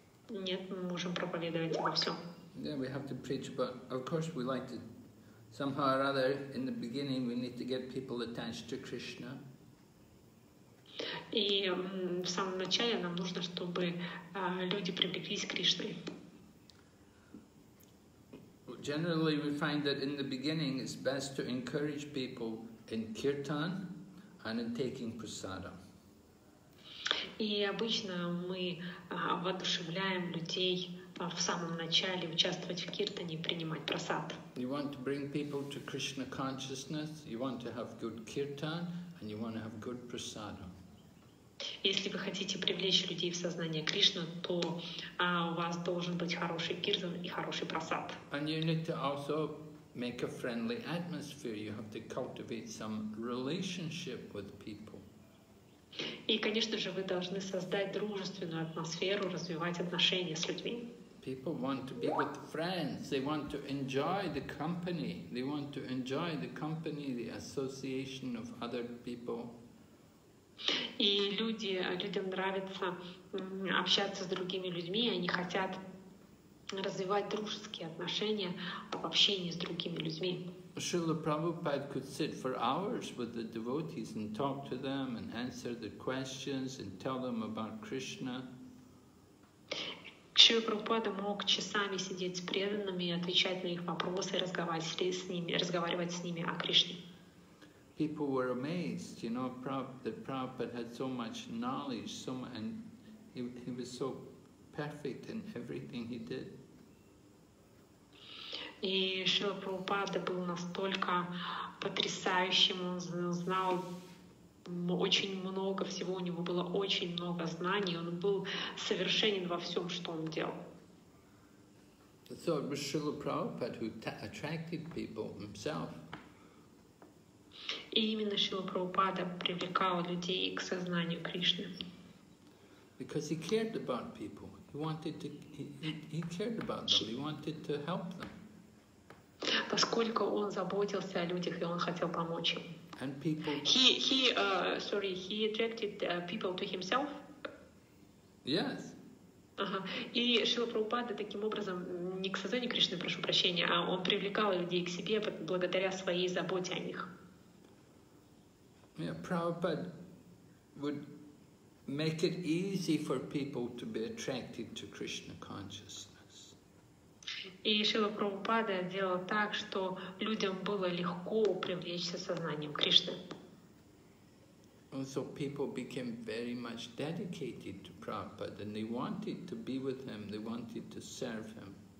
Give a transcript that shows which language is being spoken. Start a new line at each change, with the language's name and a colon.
Russian: Нет, мы можем проповедовать обо всём.
English: Yeah, we have to preach about, of course, we like to, somehow or other, in the beginning, we need to get people attached to Krishna.
Russian: И в самом начале нам нужно, чтобы люди привлеклись к Кришне.
English: Generally, we find that in the beginning it's best to encourage people in kirtan and in taking prasadam.
Russian: И обычно мы воодушевляем людей в самом начале участвовать в киртане и принимать прасад.
English: You want to bring people to Krishna consciousness, you want to have good kirtan and you want to have good prasadam.
Russian: Если вы хотите привлечь людей в сознание Кришны, то у вас должен быть хороший киртан и хороший прасад.
English: And you need to also make a friendly atmosphere. You have to cultivate some relationship with people.
Russian: И, конечно же, вы должны создать дружественную атмосферу, развивать отношения с людьми.
English: People want to be with friends. They want to enjoy the company. They want to enjoy the company, the association of other people.
Russian: И людям нравится общаться с другими людьми, они хотят развивать дружеские отношения в общении с другими людьми.
English: Шрила Прабхупад could sit for hours with the devotees and talk to them and answer their questions and tell them about Krishna.
Russian: Шрила Прабхупада мог часами сидеть с преданными и отвечать на их вопросы, разговаривать с ними о Кришне.
English: People were amazed, you know, that Prabhupada had so much knowledge, so much, and he was so perfect in everything he did.
Russian: И Шрила Прабхупада был настолько потрясающим, он знал очень много всего, у него было очень много знаний, он был совершенен во всем, что он делал.
English: So it was Шрила Прабхупада who attracted people himself.
Russian: И именно Шрила Прабхупада привлекал людей к сознанию Кришны.
English: Because he cared about people. He wanted to he cared about them. He wanted to help them.
Russian: Поскольку он заботился о людях и он хотел помочь им.
English: And people he attracted people to himself. Yes.
Russian: И Шрила Прабхупада таким образом не к сознанию Кришны, прошу прощения, а он привлекал людей к себе благодаря своей заботе о них.
English: Yeah, Prabhupada would make it easy for people to be attracted to Krishna consciousness.
Russian: И Шрила Прабхупада делал так, что людям было легко привлечься сознанием Кришны.
English: So people became very much dedicated to Prabhupada, and they wanted to be with him, they wanted to serve him.